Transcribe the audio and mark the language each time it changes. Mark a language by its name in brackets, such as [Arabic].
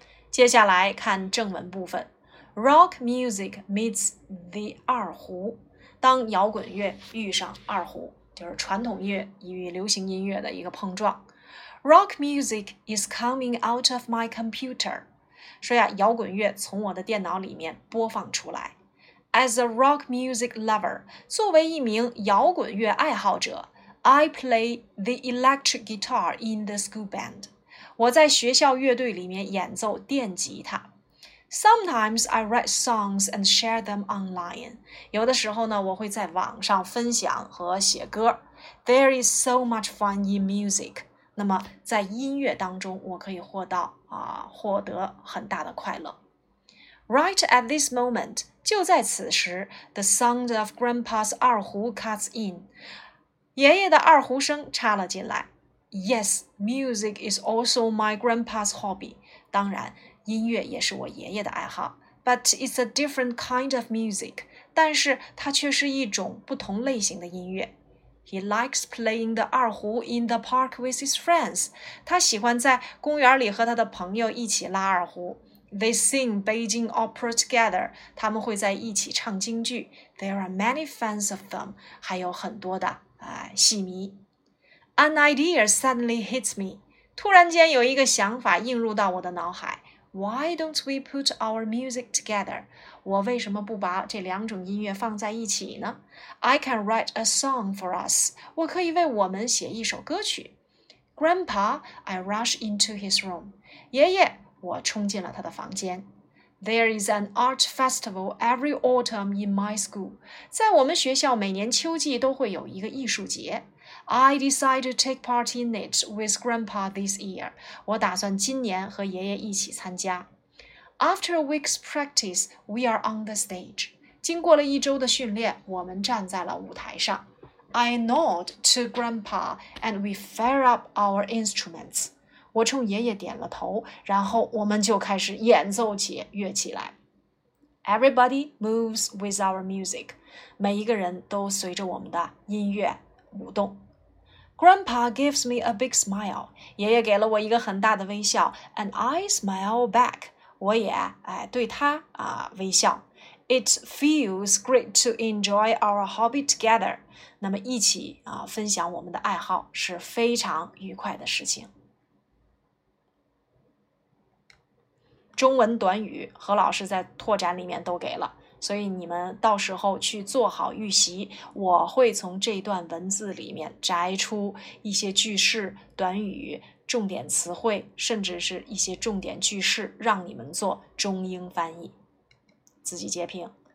[Chinese] 接下来看正文部分。 [English] Rock music meets the [Chinese] 二胡。当摇滚乐遇上二胡，就是传统乐与流行音乐的一个碰撞。 [English] Rock music is coming out of my computer. [Chinese] 说呀，摇滚乐从我的电脑里面播放出来。 [English] As a rock music lover, [Chinese] 作为一名摇滚乐爱好者， [English] I play the electric guitar in the school band. [Chinese] 我在学校乐队里面演奏电吉他。 [English] Sometimes I write songs and share them online. [Chinese] 有的时候呢，我会在网上分享和写歌。 [English] There is so much fun in music. [Chinese] 那么在音乐当中，我可以获得很大的快乐。 [English] Right at this moment, [Chinese] 就在此时 [English] ,the sound of Grandpa's 二胡 cuts in. [Chinese] 爷爷的二胡声插了进来。 [English] Yes, music is also my grandpa's hobby. [Chinese] 当然，音乐也是我爷爷的爱好。 [English] But it's a different kind of music. [Chinese] 但是它却是一种不同类型的音乐。 [English] He likes playing the 二胡 in the park with his friends. [Chinese] 他喜欢在公园里和他的朋友一起拉二胡。 [English] They sing Beijing opera together. [Chinese] 他们会在一起唱京剧。 [English] There are many fans of them. [Chinese] 还有很多的戏迷。 [English] An idea suddenly hits me. [Chinese] 突然间有一个想法映入到我的脑海。 [English] Why don't we put our music together? [Chinese] 我为什么不把这两种音乐放在一起呢？ [English] I can write a song for us. [Chinese] 我可以为我们写一首歌曲。 [English] Grandpa, I rush into his room. [Chinese] 爷爷，我冲进了他的房间。 [English] There is an art festival every autumn in my school. [Chinese] 在我们学校每年秋季都会有一个艺术节。 [English] I decided to take part in it with Grandpa this year. [Chinese] 我打算今年和爷爷一起参加。 [English] After a week's practice, we are on the stage. [Chinese] 经过了一周的训练，我们站在了舞台上。 [English] I nod to Grandpa and we fire up our instruments. [Chinese] 我冲爷爷点了头，然后我们就开始演奏起乐器来。 [English] Everybody moves with our music. [Chinese] 每一个人都随着我们的音乐舞动。 [English] Grandpa gives me a big smile. [Chinese] 爷爷给了我一个很大的微笑。 [English] And I smile back. [Chinese] 我也对他微笑。 [English] It feels great to enjoy our hobby together. [Chinese] 那么一起分享我们的爱好是非常愉快的事情。中文短语何老师在拓展里面都给了。所以你们到时候去做好预习，我会从这段文字里面摘出一些句式、短语、重点词汇，甚至是一些重点句式，让你们做中英翻译，自己截屏。